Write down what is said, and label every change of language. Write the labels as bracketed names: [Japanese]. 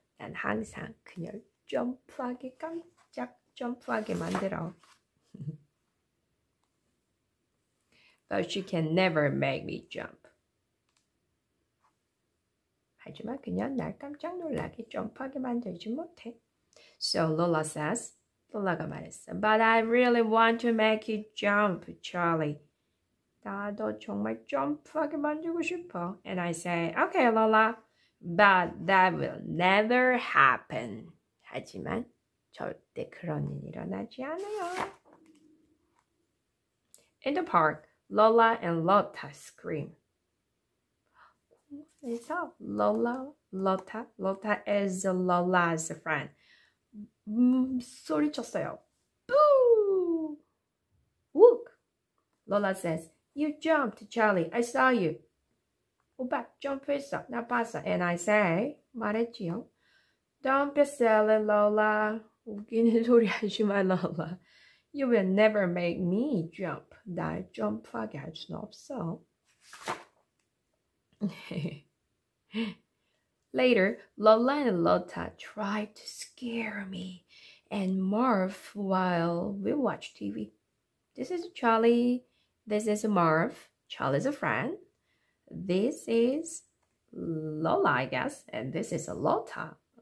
[Korean] 난 항상 그녀를 점프하게 깜짝 점프하게 만들어. [English] But she can never make me jump. [Korean] 하지만 그녀는 날 깜짝 놀라게 점프하게 만들지 못해. [English] So Lola says, [Korean] Lola가 말했어. [English] But I really want to make you jump, Charlie. [Korean] 나도 정말 점프하게 만들고 싶어. [English] And I say, okay, Lola. But that will never happen. [Korean] 하지만 절대 그런 일 일어나지 않아요. [English] In the park, Lola and Lotta scream. [Korean] 그래서 [English] Lola, Lotta, Lotta is Lola's friend. [Korean] 소리쳤어요. [English] Boo! Look! Lola says, you jumped, Charlie. I saw you. [Korean] 오빠, 점프했어. 나 봤어. [English] And I say, [Korean] 말했지요. [English] Don't be silly, Lola. [Korean] 웃기는 소리 하지 마, Lola. [English] You will never make me jump. [Korean] 날 점프하게 할 수는 없어. [English] Later, Lola and Lotta tried to scare me and Marv while we watch TV. This is Charlie. This is Marv. Charlie's a friend. This is Lola, I guess. And this is Lotta.